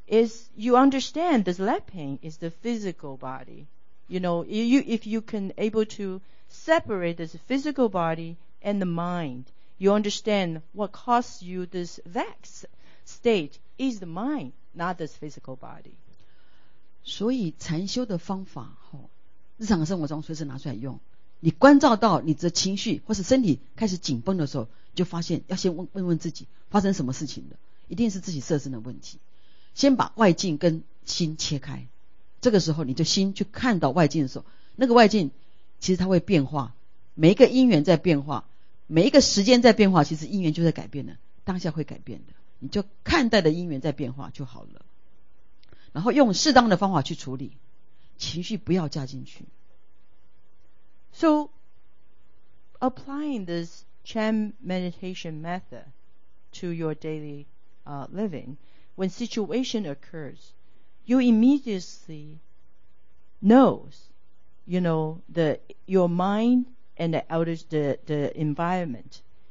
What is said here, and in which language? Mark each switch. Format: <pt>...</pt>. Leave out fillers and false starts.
<en>Is you understand this leg pain is the physical body. You know, if you can able to separate this physical body and the mind, you understand what causes you this vexed state is the mind. Not this physical body.</en> <zh>所以禅修的方法，日常生活中随时拿出来用。你关照到你的情绪或是身体开始紧绷的时候，就发现要先问自己发生什么事情了，一定是自己色身的问题。先把外境跟心切开，这个时候你的心去看到外境的时候，那个外境其实它会变化，每一个因缘在变化，每一个时间在变化，其实因缘就在改变了，当下会改变的。你就看待的因缘在变化就好了，然后用适当的方法去处理，情绪不要加进去。</zh> <en>So applying this Chan meditation method to your daily living, when situation occurs, you immediately knows, you know, your mind and the outer the environment.</en>